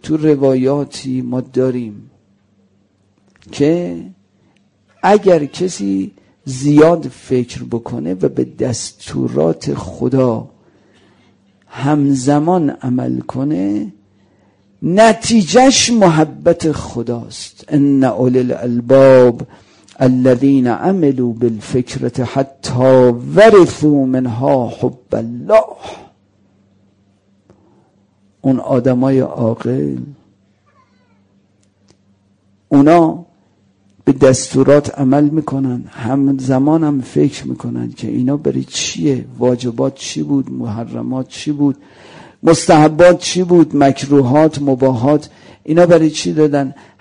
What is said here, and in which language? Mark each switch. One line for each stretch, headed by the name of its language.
Persian: تو روایاتی ما داریم که اگر کسی زیاد فکر بکنه و به دستورات خدا همزمان عمل کنه، نتیجهش محبت خداست.
Arabic: ان اولی الالباب الذين عملوا بالفكره حتى ورثوا منها حب الله.
Persian: اون آدم های عاقل، اونا به دستورات عمل میکنن، همزمان هم فکر میکنن که اینا برای چیه، واجبات چی بود، محرمات چی بود، مستحبات چی بود، مکروهات، مباحات، اینا برای چی دادن.